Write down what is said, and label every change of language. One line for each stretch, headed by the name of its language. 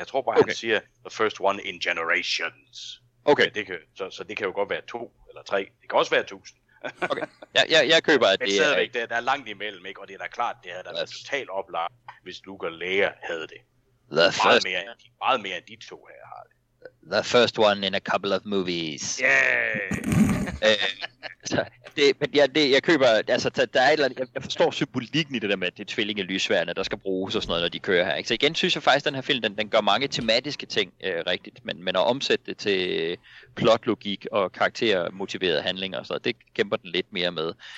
Danish: Jeg tror bare, han siger,
English: the first one in generations.
Danish: Okay. Ja, så det kan jo godt være 2 eller 3. Det kan også være 1000. Okay. Jeg køber, at det er... Men stadigvæk, der er langt imellem, ikke? Og det er da klart, det havde været totalt oplagt, hvis Luke og Leia havde det. Meget mere end de to her har det.
English: The first one in a couple of movies. Yeah!
Danish: så, Jeg køber, altså der er et eller andet, jeg forstår symbolikken i det der med, at det er tvillinge lysværende, der skal bruges og sådan noget, når de kører her. Ikke? Så igen synes jeg faktisk, den her film, den gør mange tematiske ting rigtigt, men at omsætte det til plotlogik og karaktermotiverede handlinger og sådan noget, det kæmper den lidt mere med.